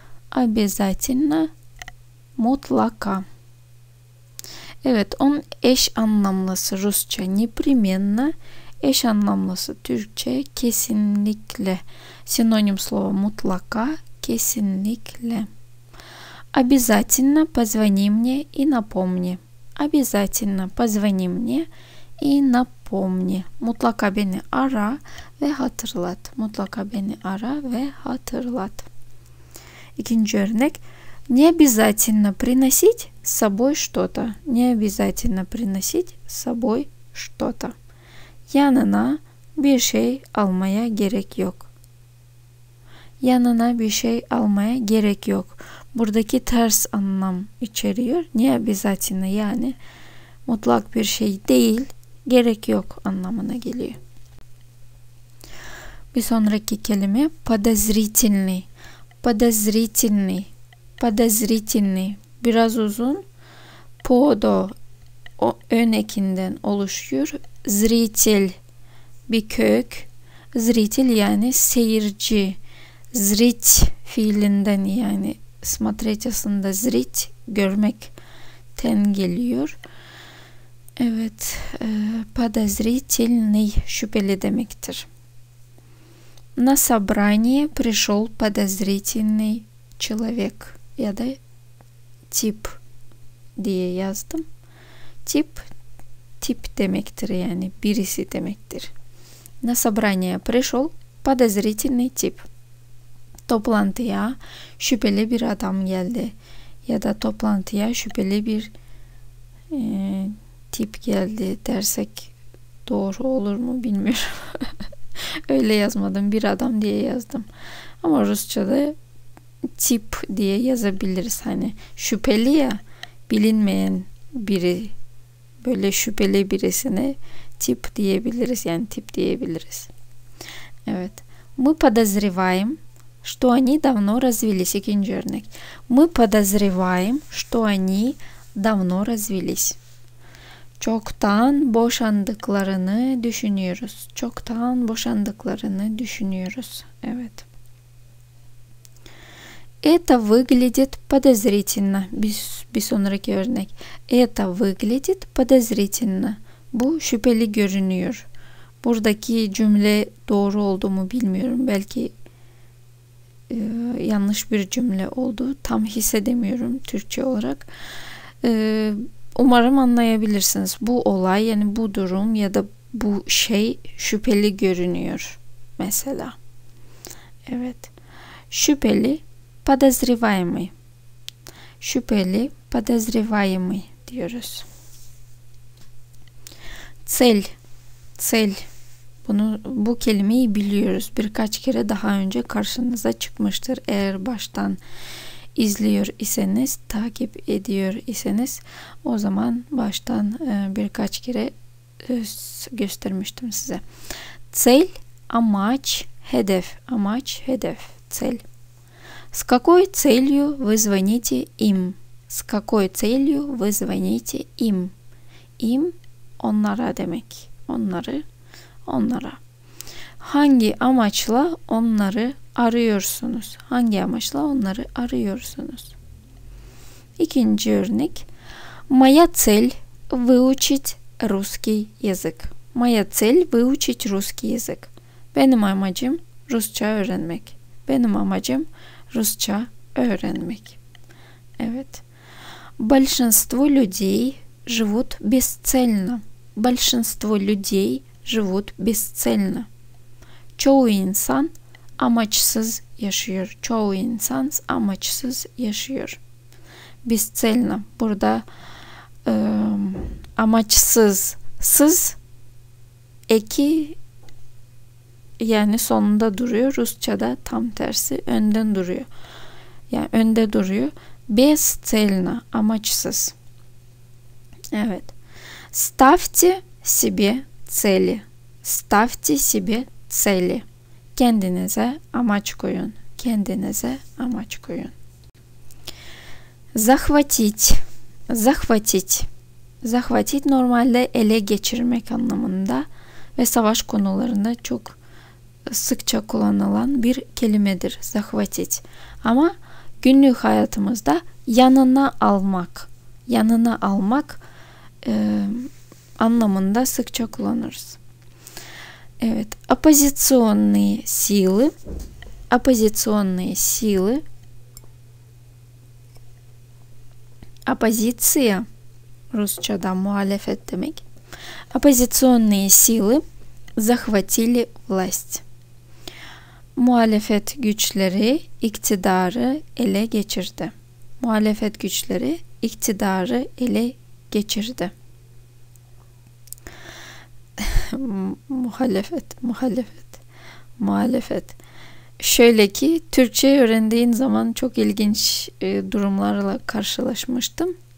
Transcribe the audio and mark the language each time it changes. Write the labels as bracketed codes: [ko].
[ru] Обязательно. [tr] Mutlaka. Evet, он eş anlamlısı Rusça непременно. Eş anlamlısı Türkçe kesinlikle. [ru] Синоним слова [tr] mutlaka kesinlikle. [ru] Обязательно позвони мне и напомни. Обязательно позвони мне и напомни. [tr] Mutlaka beni ara ve hatırlat. Mutlaka beni ara ve hatırlat. İkinci örnek. [ru] Не обязательно приносить с собой что-то. Не обязательно приносить с собой что-то. [tr] Yanına bir şey almaya gerek yok. Yanına bir şey almaya gerek yok. Buradaki ters anlam içeriyor. [ru] Не обязательно, [tr] yani mutlak bir şey değil. Gerek yok anlamına geliyor. Bir sonraki kelime подозрительный. [ru] Подозрительный. Подозрительный. [tr] Biraz uzun. Podo o önekinden oluşuyor. Zritel bir kök. Zritel yani seyirci. Zrit fiilinden yani смотреть aslında zrit görmekten geliyor. Evet, подозрительный şüpheli demektir. [ru] На собрание пришел подозрительный человек. [tr] Я да тип diye yazdım. Тип, тип demektir yani birisi demektir. [ru] На собрание пришел подозрительный тип. [tr] Toplantıya şüpheli bir adam geldi. Ya da toplantıya şüpheli bir tip geldi dersek doğru olur mu bilmiyorum. Öyle yazmadım. Bir adam diye yazdım. Ama Rusça'da tip diye yazabiliriz. Hani şüpheli ya bilinmeyen biri böyle şüpheli birisine tip diyebiliriz. Yani tip diyebiliriz. Evet. [ru] Мы подозреваем что они давно развелись. [tr] İkinci örnek. [ru] Мы подозреваем что они давно развелись. [tr] Çoktan boşandıklarını düşünüyoruz. Çoktan boşandıklarını düşünüyoruz. Evet. [ru] Это выглядит подозрительно. [tr] Bir sonraki örnek. [ru] Это выглядит подозрительно. [tr] Bu şüpheli görünüyor. Buradaki cümle doğru oldu mu bilmiyorum. Belki yanlış bir cümle oldu. Tam hissedemiyorum Türkçe olarak. Umarım anlayabilirsiniz. Bu olay yani bu durum ya da bu şey şüpheli görünüyor mesela. Evet. Şüpheli подозреваемый. Şüpheli подозреваемый diyoruz. [ru] Цель. Цель. [tr] Bunu bu kelimeyi biliyoruz. Birkaç kere daha önce karşınıza çıkmıştır. Eğer baştan izliyor iseniz, takip ediyor iseniz o zaman baştan birkaç kere göstermiştim size. Цель, amaç, hedef. Amaç, hedef, цель. [ru] С какой целью вы звоните им? С какой целью вы звоните им? [tr] Им onlara demek. Onları, onlara. Hangi amaçla onları arıyorsunuz. Hangi amaçla onları arıyorsunuz? İkinci örnek. [ru] Моя цель выучить русский язык. Моя цель выучить русский язык. [tr] Benim amacım Rusça öğrenmek. Benim amacım Rusça öğrenmek. Evet. [ru] Большинство людей живут бесцельно. Большинство людей живут бесцельно. [tr] Çoğu insan amaçsız yaşıyor. Çoğu insan amaçsız yaşıyor. Бесцельно. Burada amaçsız. Sız eki yani sonunda duruyor. Rusça'da tam tersi önden duruyor. Yani önde duruyor. Бесцельно. Amaçsız. Evet. [ru] Ставьте себе цели. Ставьте себе цели. [tr] Kendinize amaç koyun. Kendinize amaç koyun. [ru] Захватить. Захватить. [tr] Захватить normalde ele geçirmek anlamında ve savaş konularında çok sıkça kullanılan bir kelimedir. [ru] Захватить. [tr] Ama günlük hayatımızda yanına almak. Yanına almak anlamında sıkça kullanırız. Evet, [ru] оппозиционные силы. Оппозиционные силы. [tr] Оппозиция. Русчада муалефет демек. [ru] Оппозиционные силы захватили власть. [tr] Муалефет güçleri iktidarı ele geçirdi. Муалефет güçleri iktidarı ele geçirdi. Muhalefet, muhalefet, muhalefet. Şöyle ki Türkçe öğrendiğin zaman çok ilginç durumlarla karşılaşmıştım.